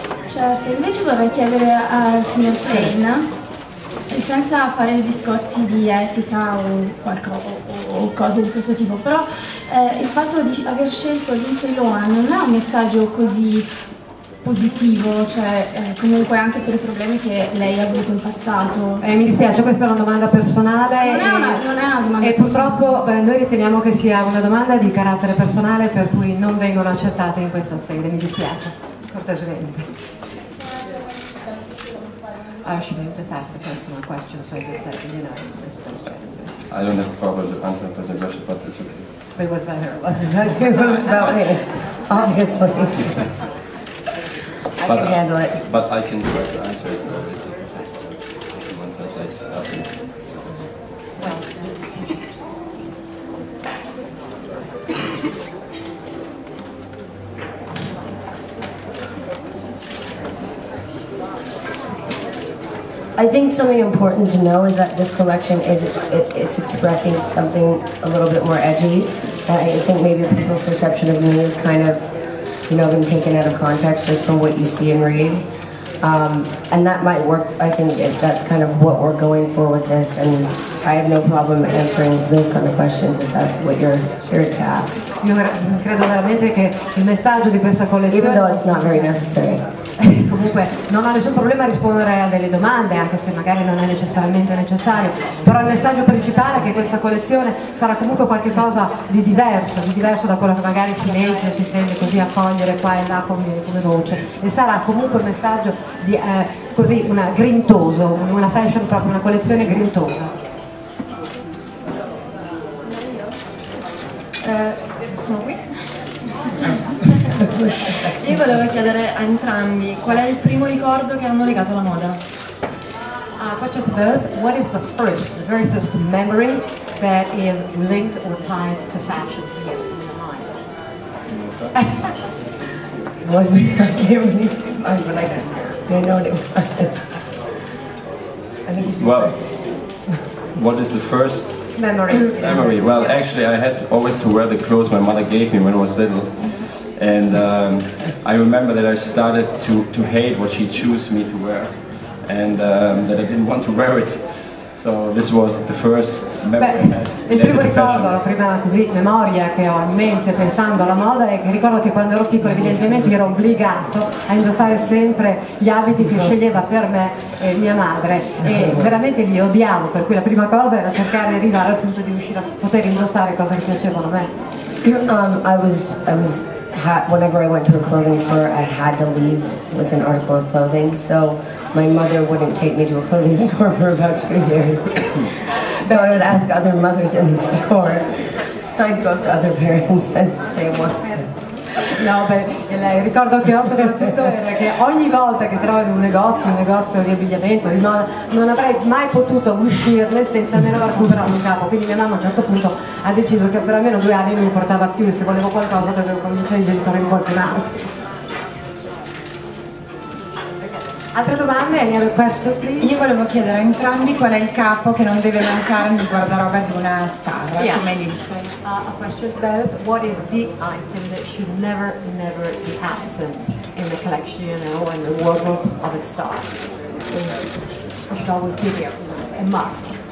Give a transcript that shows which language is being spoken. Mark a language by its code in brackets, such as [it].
[it] Certo, invece vorrei chiedere al signor Plein, senza fare discorsi di etica o qualcosa o cose di questo tipo, però il fatto di aver scelto Lindsay Lohan non è un messaggio così positivo, cioè comunque anche per I problemi che lei ha avuto in passato. Mi dispiace, questa è una domanda personale. Non è una domanda personale. E purtroppo noi riteniamo che sia una domanda di carattere personale, per cui non vengono accettate in questa sede. Mi dispiace, cortesemente. [en] I should have just asked a personal question, so I just said, you know, you're supposed to answer. I don't have a problem answering a question, but it's okay. But it was better, wasn't it? It was about me, obviously. I can handle it. But I can try to answer it, so if you want to say something. I think something important to know is that this collection is it's expressing something a little bit more edgy. I think maybe people's perception of me has kind of, you know, been taken out of context just from what you see and read. And that might work. I think that's kind of what we're going for with this, and I have no problem answering those kind of questions if that's what you're here to ask. [it] Io credo veramente che il messaggio di questa collezione, [en] even though it's not very necessary. [it] Comunque non ho nessun problema a rispondere a delle domande, anche se magari non è necessariamente necessario, però il messaggio principale è che questa collezione sarà comunque qualcosa di diverso da quello che magari si legge o si intende così accogliere qua e là come voce, e sarà comunque un messaggio di così una grintoso, una fashion proprio, una collezione grintosa. Sono qui. Io volevo chiedere a entrambi qual è il primo ricordo che hanno legato alla moda. [en] Question for both. What is the very first memory that is linked or tied to fashion for you in your mind? Well, what is the first memory? Well, actually, I had always to wear the clothes my mother gave me when I was little. And I remember that I started to hate what she chose me to wear, and that I didn't want to wear it. So this was the first memory. [it] Beh, il primo ricordo, la prima così memoria che ho in mente pensando alla moda è che ricordo che quando ero piccolo evidentemente ero obbligato a indossare sempre gli abiti che sceglieva per me mia madre, e veramente li odiavo, per cui la prima cosa era cercare di arrivare al punto di riuscire a poter indossare cose che piacevano a me. [en] Whenever I went to a clothing store, I had to leave with an article of clothing, so my mother wouldn't take me to a clothing store for about 2 years. So I would ask other mothers in the store, I'd go up to other parents and say, what? [it] No, beh, ricordo che ho soprattutto era che ogni volta che trovo in un negozio di abbigliamento, di moda, non avrei mai potuto uscirne senza almeno aver comprato un capo. Quindi mia mamma a un certo punto ha deciso che per almeno 2 anni non mi portava più, e se volevo qualcosa dovevo convincere i genitori di qualcun altro. Altre domande? [en] Any other questions, please? [it] Io volevo chiedere a entrambi qual è il capo che non deve mancare nel guardaroba di una star, [en] yes, [it] come Lindsay. [en] A question for both. What is the item that should never, never be absent in the collection, you know, in the wardrobe of a star? It should always be here. a must.